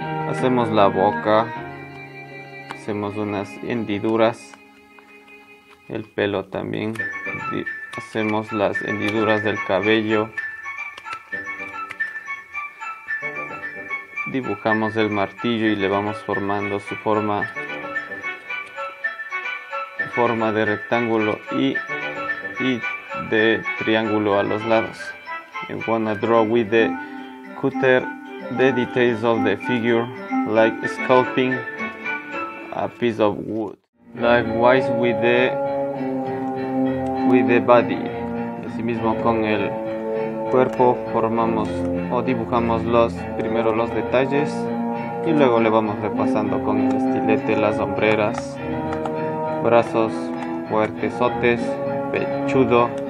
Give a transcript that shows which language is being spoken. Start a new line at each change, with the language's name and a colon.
Spanish: Hacemos la boca, hacemos unas hendiduras, el pelo también, hacemos las hendiduras del cabello, dibujamos el martillo y le vamos formando su forma de rectángulo y de triángulo a los lados.
English: I wanna draw with the cutter the details of the figure, like sculpting a piece of wood. Likewise with the body.
Spanish: Asimismo con el cuerpo formamos o dibujamos primero los detalles, y luego le vamos repasando con el estilete las hombreras, brazos fuertesotes, pechudo,